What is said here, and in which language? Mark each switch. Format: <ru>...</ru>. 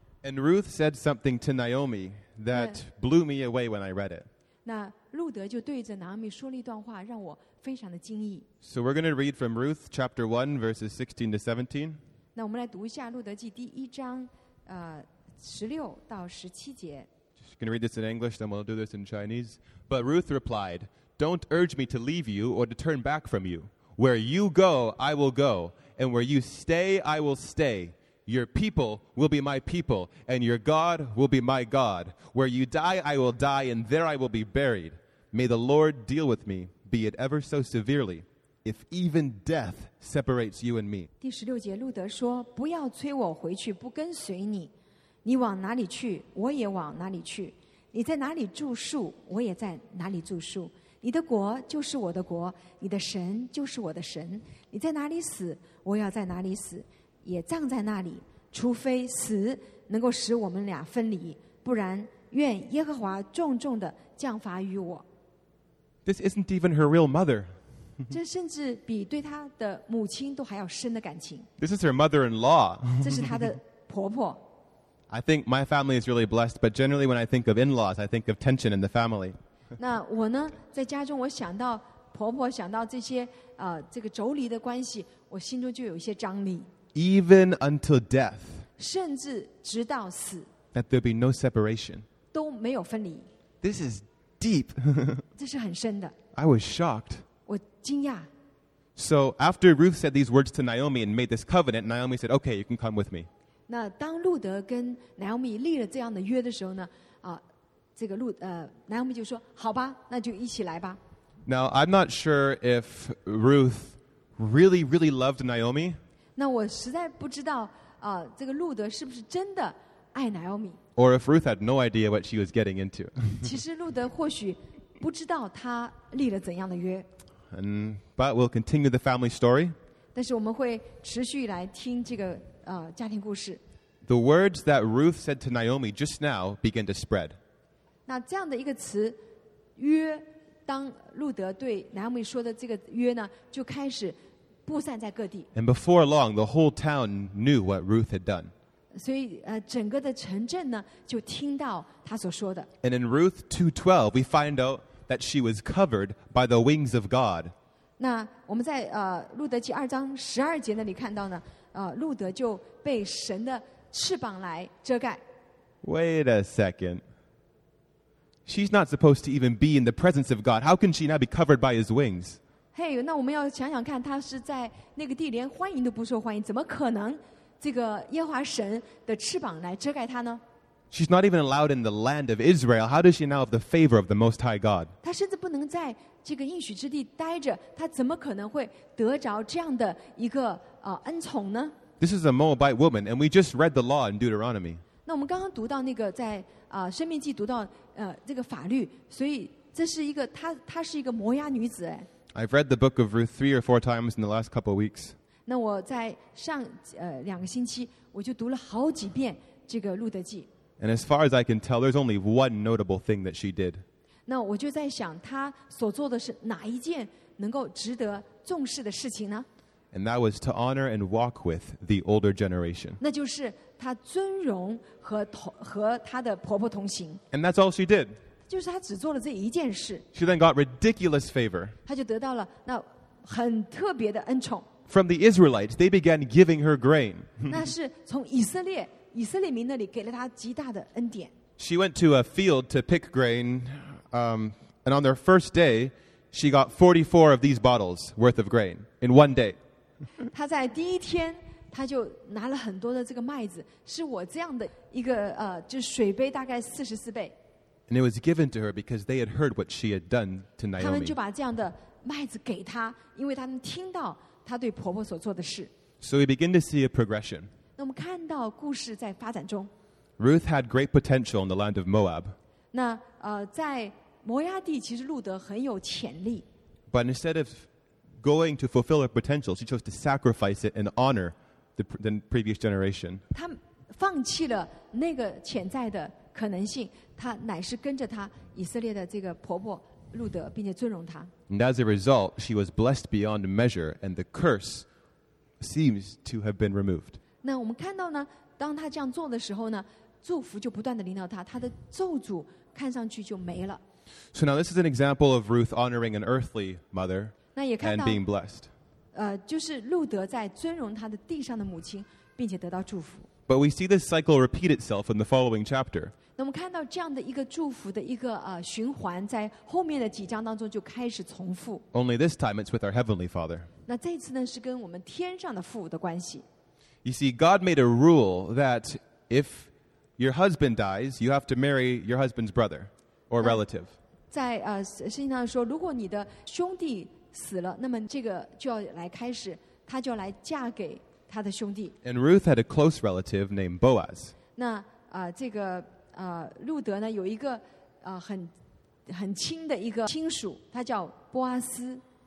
<en>And Ruth said something to Naomi that blew me away when I read it.</en> <zh>那路德就对着拿俄米说了一段话，让我非常的惊异。</zh> <en>So we're going to read from Ruth chapter 1 verses 16 to 17.</en> <zh>那我们来读一下路德记第一章，16到17节。</zh> <en>I'm going to read this in English, then we'll do this in Chinese. But Ruth replied, Don't urge me to leave you or to turn back from you. Where you go, I will go. And where you stay, I will stay. Your people will be my people, and your God will be my God. Where you die, I will die, and there I will be buried. May the Lord deal with me, be it ever so severely, if even death separates you and me.</en> <zh>第十六节，路德说，不要催我回去，不跟随你。你往哪里去，我也往哪里去。你在哪里住宿，我也在哪里住宿。你的国就是我的国，你的神就是我的神。你在哪里死，我要在哪里死，也葬在那里。除非死能够使我们俩分离，不然愿耶和华重重的降罚于我。</zh> <en>This isn't even her real mother.</en> <zh>这甚至比对她的母亲都还要深的感情。</zh> <en>This is her mother-in-law.</en> <zh>这是她的婆婆。</zh> <en>I think my family is really blessed, but generally when I think of in-laws, I think of tension in the family.</en> <zh>那我呢，在家中我想到婆婆，想到这些这个妯娌的关系，我心中就有一些张力。</zh> <en>Even until death,</en> <zh>甚至直到死</zh> <en>that there be no separation,</en> <zh>都没有分离。</zh> <en>This is deep.</en> <zh>这是很深的。</zh> <en>I was shocked.</en> <zh>我惊讶。</zh> <en>So after Ruth said these words to Naomi and made this covenant, Naomi said, "Okay, you can come with me."</en> <zh>那当路德跟 Naomi 立了这样的约的时候呢，这个路Naomi 就说，好吧，那就一起来吧。</zh> <en>Now I'm not sure if Ruth really, really loved Naomi.</en> <zh>那我实在不知道这个路德是不是真的爱 Naomi。</zh> <en>Or if Ruth had no idea what she was getting into.</en> <zh>其实路德或许不知道他立了怎样的约。</zh> <en>But we'll continue the family story.</en> <zh>但是我们会持续来听这个。家庭故事。</zh> <en>The words that Ruth said to Naomi just now begin to spread.</en> <zh>那这样的一个词，约，当路德对 Naomi 说的这个约呢，就开始布散在各地。</zh> <en>And before long, the whole town knew what Ruth had done.</en> <zh>所以整个的城镇呢，就听到他所说的。</zh> <en>And in Ruth 2:12, we find out that she was covered by the wings of God.</en> <zh>那我们在路德记二章十二节那里看到呢。路德就被神的翅膀来遮盖。</zh> <en>Wait a second. She's not supposed to even be in the presence of God. How can she now be covered by his wings?</en> <zh>Hey, 那我们要想想看，她是在那个地连欢迎都不受欢迎，怎么可能这个耶和华神的翅膀来遮盖她呢？</zh> <en>She's not even allowed in the land of Israel. How does she now have the favor of the Most High God?</en> <zh>她甚至不能在这个应许之地待着，她怎么可能会得着这样的一个恩宠呢？</zh> <en>This is a Moabite woman, and we just read the law in Deuteronomy.</en> <zh>那我们刚刚读到那个在生命记读到这个法律，所以这是一个她是一个摩押女子哎。</zh> <en>I've read the book of Ruth 3 or 4 times in the last couple of weeks.</en> <zh>那我在上两个星期我就读了好几遍这个路德记。</zh> <en>And as far as I can tell, there's only one notable thing that she did.</en> <zh>那我就在想她所做的是哪一件能够值得重视的事情呢？</zh> <en>And that was to honor and walk with the older generation.</en> <zh>那就是她尊荣和她的婆婆同行。</zh> <en>And that's all she did.</en> <zh>就是她只做了这一件事。</zh> <en>She then got ridiculous favor.</en> <zh>她就得到了那很特别的恩宠。</zh> <en>From the Israelites, they began giving her grain.</en> <zh>那是从以色列民那里给了她极大的恩典。</zh> <en>She went to a field to pick grain, and on their first day, she got 44 of these bottles worth of grain in one day.</en> <zh>他在第一天他就拿了很多的这个麦子，是我这样的一个就水杯大概44倍。</zh> <en>And it was given to her because they had heard what she had done to Naomi.</en> <zh>他们就把这样的麦子给他，因为他们听到他对婆婆所做的事。</zh> <en>So we begin to see a progression.</en> <zh>那我们看到故事在发展中。</zh> <en>Ruth had great potential in the land of Moab.</en> <zh>那在摩押地其实路德很有潜力。</zh> <en>But instead of going to fulfill her potential, she chose to sacrifice it and honor the previous generation.</en> <zh>她放弃了那个潜在的可能性，她乃是跟着她以色列的这个婆婆路德，并且尊荣她。</zh> <en>And as a result, she was blessed beyond measure, and the curse seems to have been removed.</en> <zh>那我们看到呢，当他这样做的时候呢，祝福就不断的临到他，他的咒诅看上去就没了。</zh> <en>So now this is an example of Ruth honoring an earthly mother and being blessed.</en> <zh>就是路德在尊荣他的地上的母亲，并且得到祝福。</zh> <en>But we see this cycle repeat itself in the following chapter.</en> <zh>那我们看到这样的一个祝福的一个循环，在后面的几章当中就开始重复。</zh> <en>Only this time it's with our heavenly Father.</en> <zh>那这次呢，是跟我们天上的父的关系。</zh> <en>You see, God made a rule that if your husband dies, you have to marry your husband's brother or relative.</en> <zh>在圣经上说，如果你的兄弟死了，那么这个就要来开始，他就要来嫁给他的兄弟。</zh> <en>And Ruth had a close relative named Boaz.</en> <zh>那这个路德呢，有一个很亲的一个亲属，他叫波阿斯。</zh>